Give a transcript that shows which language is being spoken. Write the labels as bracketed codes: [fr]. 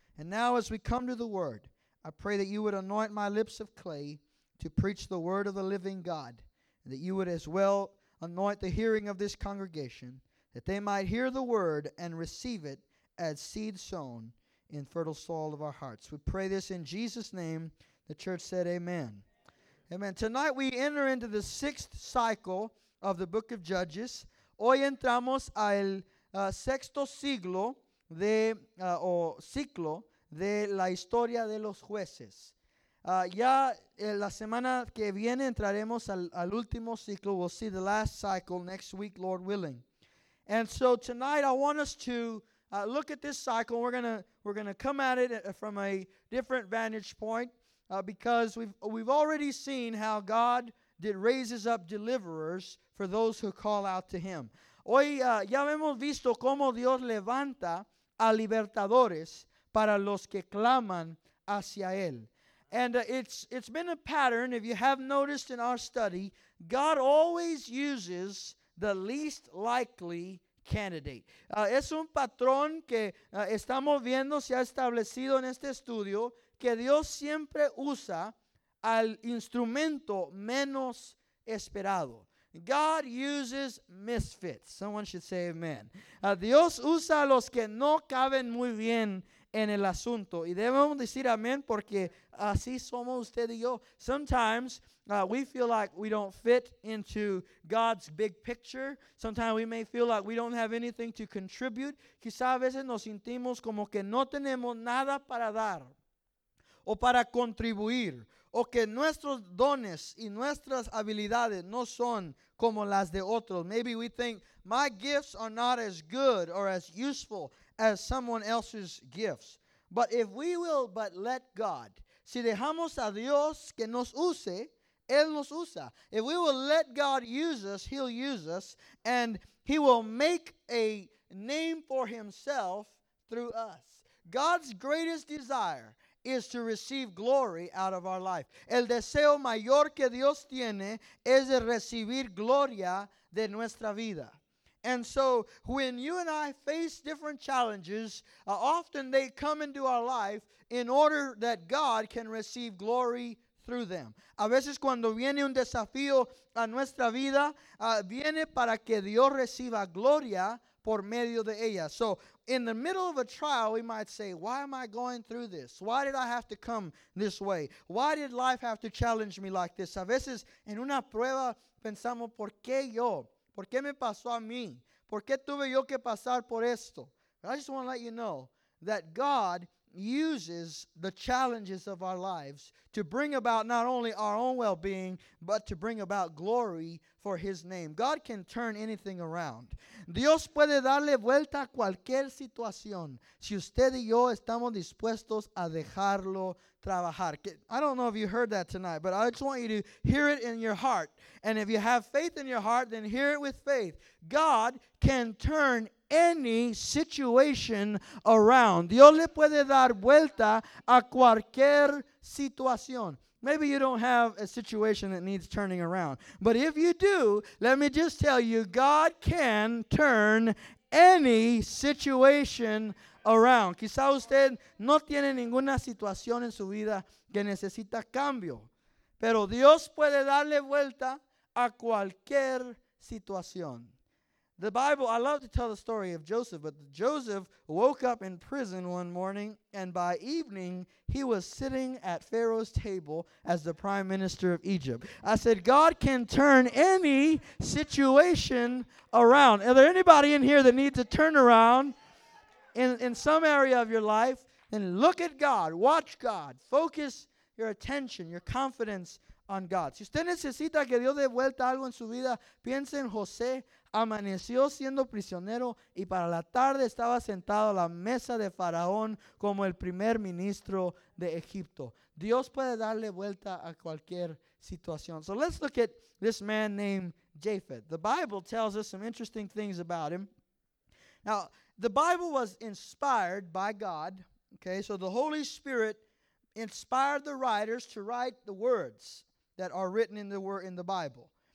[en] And now as we come to the Word, I pray that you would anoint my lips of clay to preach the Word of the living God, and that you would as well anoint the hearing of this congregation, that they might hear the Word and receive it as seed sown in fertile soil of our hearts. We pray this in Jesus' name. The church said amen. Amen. Tonight we enter into the sixth cycle of the book of Judges. [es] Hoy entramos al sexto siglo de o ciclo de la historia de los jueces. Ya la semana que viene entraremos al último ciclo. [en] We'll see the last cycle next week, Lord willing. And so tonight I want us to look at this cycle. We're gonna come at it from a different vantage point because we've already seen how God raises up deliverers for those who call out to Him. [es] Hoy ya hemos visto cómo Dios levanta a libertadores para los que claman hacia Él. [en] And it's been a pattern, if you have noticed in our study, God always uses the least likely candidate. [es] Es un patrón que estamos viendo, se ha establecido en este estudio, que Dios siempre usa al instrumento menos esperado. [en] God uses misfits. Someone should say amen. [es] Dios usa a los que no caben muy bien en el asunto. Y debemos decir amén porque así somos usted y yo. [en] Sometimes we feel like we don't fit into God's big picture. Sometimes we may feel like we don't have anything to contribute. [es] Quizá a veces nos sentimos como que no tenemos nada para dar o para contribuir, o que nuestros dones y nuestras habilidades no son como las de otros. [en] Maybe we think my gifts are not as good or as useful as someone else's gifts. But if we will but let God, [es] si dejamos a Dios que nos use, Él nos usa. [en] If we will let God use us, He'll use us, and He will make a name for Himself through us. God's greatest desire is to receive glory out of our life. [es] El deseo mayor que Dios tiene es de recibir gloria de nuestra vida. [en] And so when you and I face different challenges, often they come into our life in order that God can receive glory through them. [es] A veces cuando viene un desafío a nuestra vida, viene para que Dios reciba gloria por medio de ella. [en] So in the middle of a trial, we might say, why am I going through this? Why did I have to come this way? Why did life have to challenge me like this? [es] A veces en una prueba pensamos, ¿por qué yo? ¿Por qué me pasó a mí? ¿Por qué tuve yo que pasar por esto? [en] I just want to let you know that God uses the challenges of our lives to bring about not only our own well-being, but to bring about glory for His name. God can turn anything around. [es] Dios puede darle vuelta a cualquier situación si usted y yo estamos dispuestos a dejarlo trabajar. [en] I don't know if you heard that tonight, but I just want you to hear it in your heart. And if you have faith in your heart, then hear it with faith. God can turn any situation around. [es] Dios le puede dar vuelta a cualquier situación. [en] Maybe you don't have a situation that needs turning around. But if you do, let me just tell you, God can turn any situation around. [es] Quizá usted no tiene ninguna situación en su vida que necesita cambio. Pero Dios puede darle vuelta a cualquier situación. [en] The Bible, I love to tell the story of Joseph, but Joseph woke up in prison one morning, and by evening, he was sitting at Pharaoh's table as the prime minister of Egypt. I said, God can turn any situation around. Are there anybody in here that needs to turn around in some area of your life? And look at God. Watch God. Focus your attention, your confidence on God. [es] Si usted necesita que Dios dé vuelta algo en su vida, piense en José. Amaneció siendo prisionero y para la tarde estaba sentado a la mesa de Faraón como el primer ministro de Egipto. Dios puede darle vuelta a cualquier situación. [en] So let's look at this man named Japheth. The Bible tells us some interesting things about him. Now, the Bible was inspired by God. Okay, so the Holy Spirit inspired the writers to write the words that are written in the Bible.